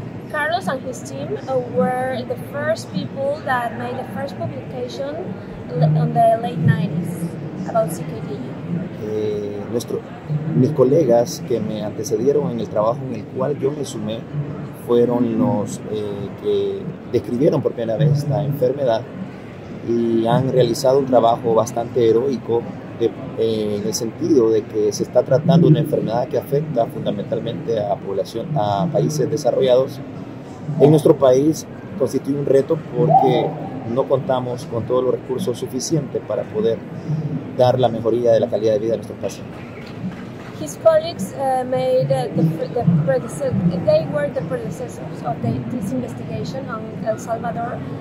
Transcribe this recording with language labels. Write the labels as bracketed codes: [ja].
[en] Carlos and his team were the first people that made the first publication on the late 90s about CKD. [es] Mis colegas que me antecedieron en el trabajo en el cual yo me sumé fueron los que describieron por primera vez esta enfermedad y han realizado un trabajo bastante heroico en el sentido de que se está tratando una enfermedad que afecta fundamentalmente a población, a países desarrollados. En nuestro país constituye un reto porque no contamos con todos los recursos suficientes para poder dar la mejoría de la calidad de vida de nuestros pacientes. [en] His colleagues were the predecessors of this investigation on El Salvador.